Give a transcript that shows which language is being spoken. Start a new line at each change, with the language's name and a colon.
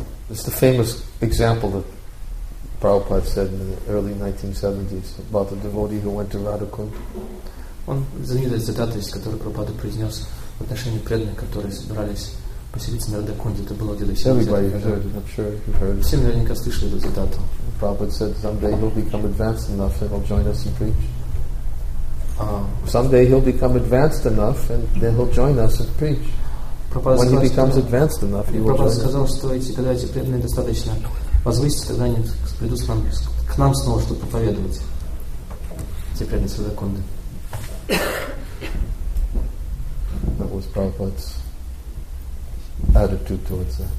English: It's the famous example that Prabhupada said in the early 1970s about the devotee who went to Radhakund.
Russian: Он знаменитая цитата, из которой Прабхупада произнес в отношении преданных, которые собирались поселиться на Радхакунде. Это было где-то 70-х. Все наверняка слышали эту цитату.
English: Prabhupada said, someday he'll become advanced enough and he'll join us and preach. Someday he'll become advanced enough and then he'll join us and preach. When he becomes advanced enough, he will join
Russian: сказал, что эти, когда эти преданные достаточно возвысятся, когда они придут к нам снова, чтобы проповедовать. Эти преданные Радхакунды.
English: That was Prabhupada's attitude towards that.